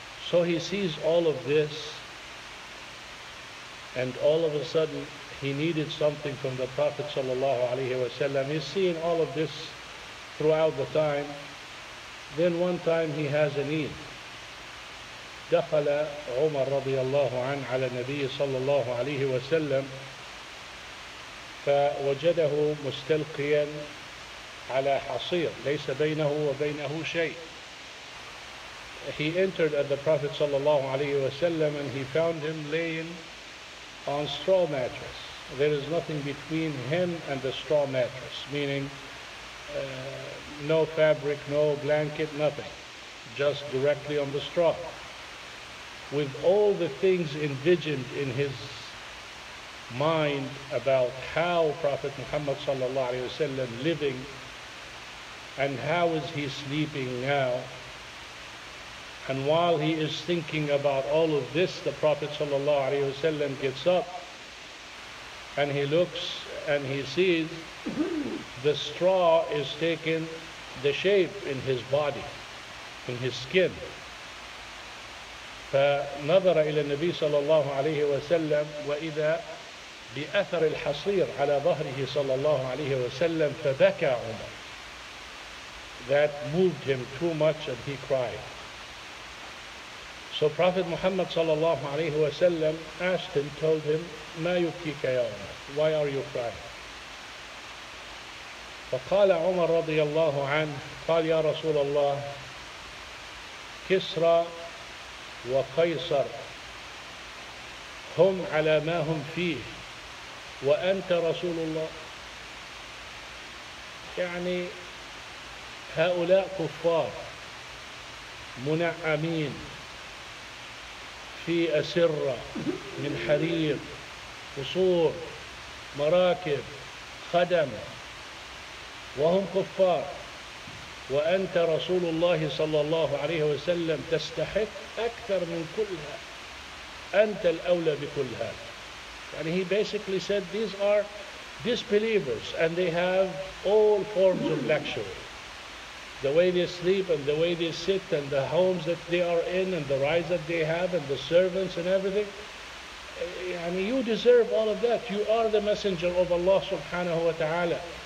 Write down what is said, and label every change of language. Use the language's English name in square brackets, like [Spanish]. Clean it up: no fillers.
[English] So he sees all of this, and all of a sudden he needed something from the Prophet sallallahu alayhi wa sallam. He's seeing all of this throughout the time. Then one time he has a need. [Arabic] دخل عمر رضي الله عنه على النبي صلى الله عليه وسلم فوجده مستلقيا على حصير ليس بينه وبينه شيء. [English] He entered at the Prophet صلى الله عليه وسلم and he found him laying on straw mattress. There is nothing between him and the straw mattress, meaning no fabric, no blanket, nothing, just directly on the straw. With all the things envisioned in his mind about how Prophet Muhammad sallallahu alayhi wasallam living and how is he sleeping now, and while he is thinking about all of this, the Prophet sallallahu alayhi wasallam gets up and he looks and he sees the straw is taking the shape in his body, in his skin. [Arabic] فنظر إلى النبي صلى الله عليه وسلم وإذا بأثر الحصير على ظهره صلى الله عليه وسلم فبكى عمر. [English] That moved him too much and he cried. So Prophet Muhammad صلى الله عليه وسلم asked him, told him, [Arabic] ما يبكيك يا عمر؟ [English] Why are you crying? [Arabic] فقال عمر رضي الله عنه قال يا رسول الله كسرى وقيصر هم على ما هم فيه وأنت رسول الله. يعني هؤلاء كفار منعمين في أسرة من حرير، قصور، مراكب، خدم، وهم كفار، وأنت رسول الله صلى الله عليه وسلم تستحق أكثر من كلها، أنت الأولى بكل هذا. [English] And he basically said, these are disbelievers and they have all forms of luxury. the way they sleep and the way they sit and the homes that they are in and the rides that they have and the servants and everything. And you deserve all of that. You are the messenger of Allah subhanahu wa ta'ala.